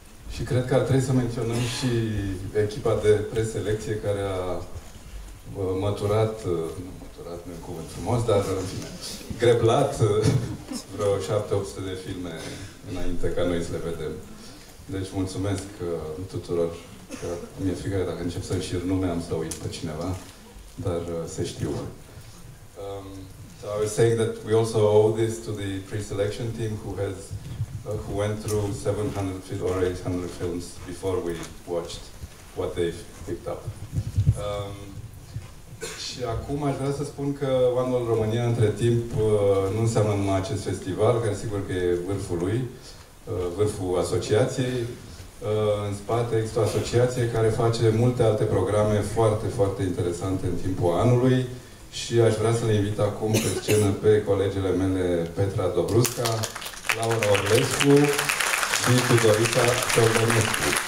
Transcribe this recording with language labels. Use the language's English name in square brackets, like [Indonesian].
[Romanian] Și cred că ar trebui să menționăm și echipa de preselecție care a măturat, nu e cuvânt frumos, dar greblat vreo 700-800 de filme înainte ca noi să le vedem. Deci mulțumesc tuturor, că mi-e frică că dacă încep să-mi șir nume am să uit pe cineva. Dar se știu. [English] So I was saying that we also owe this to the pre-selection team who went through 700 films or 800 films before we watched what they've picked up. [Romanian] Și acum aș vrea să spun că Vanul România între timp nu înseamnă numai acest festival, care sigur că e vârful lui, vârful asociației. În spate există o asociație care face multe alte programe foarte, foarte interesante în timpul anului și aș vrea să le invit acum pe scenă pe colegele mele Petra Dobrusca, Laura Orlescu și Tudorica Tornescu.